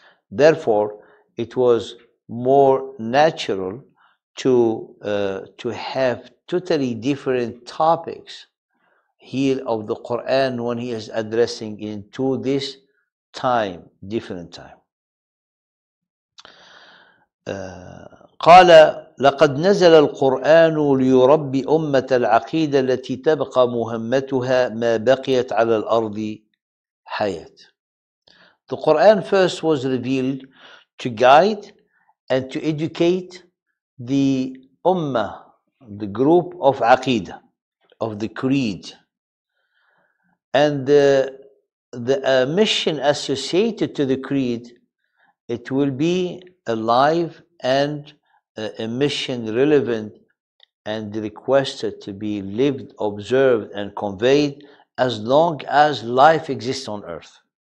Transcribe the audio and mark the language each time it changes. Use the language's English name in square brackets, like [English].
[English] Therefore, it was more natural to have totally different topics here of the Quran when he is addressing into this time, different time. [Arabic] قال لقد نزل القرآن ليربي أمة العقيدة التي تبقى مهمتها ما بقيت على الأرض حياة. [English] The Quran first was revealed to guide and to educate the Ummah, the group of Aqidah, of the creed, and the mission associated to the creed, it will be alive and a mission relevant and requested to be lived, observed, and conveyed as long as life exists on earth.